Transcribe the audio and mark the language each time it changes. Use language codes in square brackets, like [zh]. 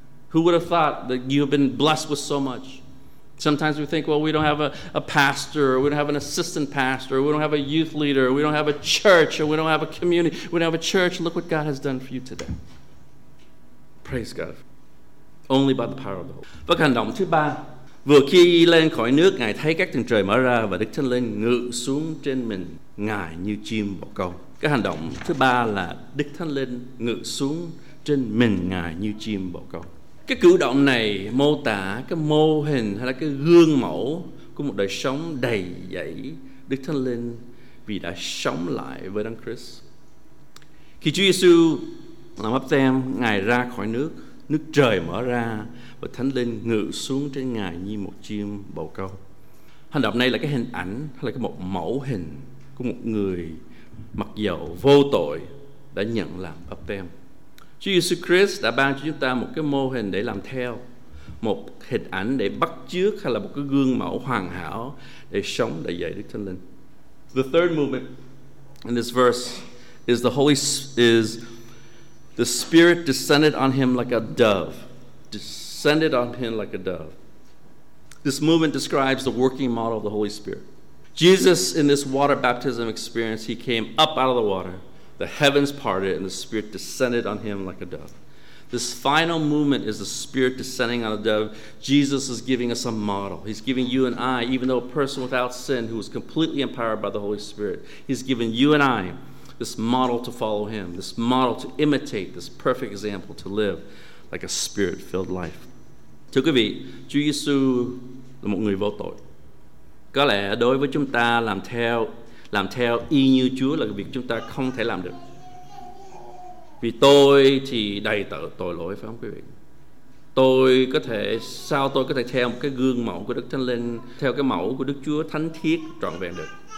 [en] Who would have thought that you have been blessed with so much? Sometimes we think, well, we don't have a pastor, or we don't have an assistant pastor, or we don't have a youth leader, or we don't have a church, or we don't have a community, we don't have a church. Look what God has done for you today. Praise God. Only by the power of the Holy Spirit. [vi] Bước hành động thứ ba. Vừa khi lên khỏi nước, Ngài thấy các tầng trời mở ra và Đức Thánh Linh ngự xuống trên mình, Ngài như chim bồ câu. Cái hành động thứ ba là Đức Thánh Linh ngự xuống trên mình, Ngài như chim bồ câu. Cái cử động này mô tả cái mô hình hay là cái gương mẫu của một đời sống đầy dẫy Đức Thánh Linh vì đã sống lại với Đấng Christ. Khi Chúa Giêsu làm báp têm, Ngài ra khỏi nước, nước trời mở ra và Thánh Linh ngự xuống trên Ngài như một chim bồ câu. Hành động này là cái hình ảnh hay là cái một mẫu hình của một người mặc dầu vô tội đã nhận làm báp têm. Chúa Giêsu Christ đã ban cho chúng ta một cái mô hình để làm theo, một hình ảnh để bắt chước hay là một cái gương mẫu hoàn hảo để sống đầy dẫy Đức Thánh Linh. [en] The third movement in this verse is the Holy is the Spirit descended on him like a dove. Descended on him like a dove. This movement describes the working model of the Holy Spirit. Jesus, in this water baptism experience, he came up out of the water. The heavens parted and the Spirit descended on him like a dove. This final movement is the Spirit descending on a dove. Jesus is giving us a model. He's giving you and I, even though a person without sin who is completely empowered by the Holy Spirit, he's given you and I this model to follow him, this model to imitate, this perfect example to live like a Spirit-filled life. [vi] Thưa quý vị, Chúa Giêsu là một người vô tội. Có lẽ đối với chúng ta làm theo y như Chúa là việc chúng ta không thể làm được. Vì tôi thì đầy tớ tội lỗi, phải không quý vị? Tôi có thể theo một cái gương mẫu của Đức Thánh Linh, theo cái mẫu của Đức Chúa thánh thiết trọn vẹn được.